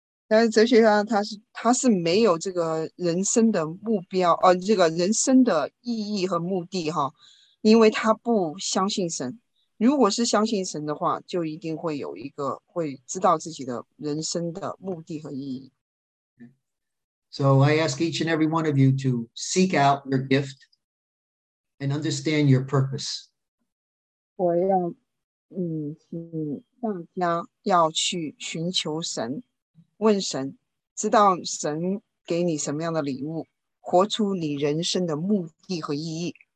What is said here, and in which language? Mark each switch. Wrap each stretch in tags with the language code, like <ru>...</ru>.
<zh>但是哲学家他是没有这个人生的目标，这个人生的意义和目的哈，因为他不相信神。如果是相信神的话，就一定会有一个会知道自己的人生的目的和意义。</zh> <en>So I ask each and every one of you to seek out your gift and understand your purpose.</en> <zh>我要请大家要去寻求神，问神，知道神给你什么样的礼物，活出你人生的目的和意义。</zh>